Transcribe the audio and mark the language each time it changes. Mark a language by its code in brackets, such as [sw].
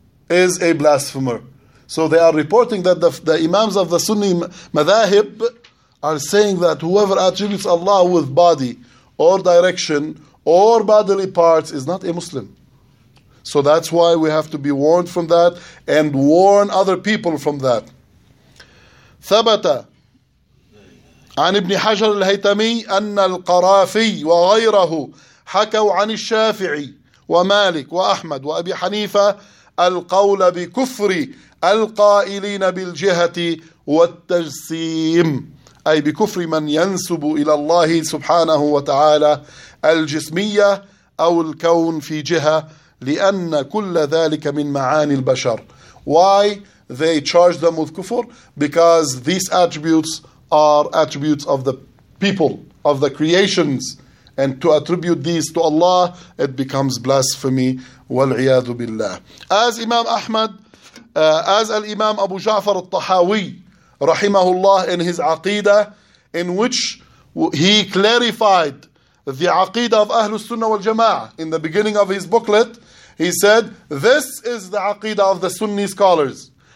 [en] Is a blasphemer. So they are reporting that the imams of the Sunni Madhahib are saying that whoever attributes Allah with body or direction or bodily parts is not a Muslim. So that's why we have to be warned from that and warn other people from that. [ar] ثبت عن ابن حجر الهيتمي أن القرافي وغيره حكوا عن الشافعي ومالك وأحمد وأبي حنيفة القول بكفر القائلين بالجهة والتجسيم أي بكفر من ينسب إلى الله سبحانه وتعالى الجسمية أو الكون في جهة لأن كل ذلك من معاني البشر. [en] Why they charge them with kufr? Because these attributes are attributes of the people, of the creations. And to attribute these to Allah, it becomes blasphemy. [ar] وَالْعِيَاذُ بِاللَّهِ [en] As Imam Ahmad, as Al-Imam Abu Ja'far al-Tahawi, rahimahullah, in his Aqidah, in which he clarified the Aqidah of Ahlus Sunnah wal Jama'ah, in the beginning of his booklet, he said, this is the Aqidah of the Sunni scholars.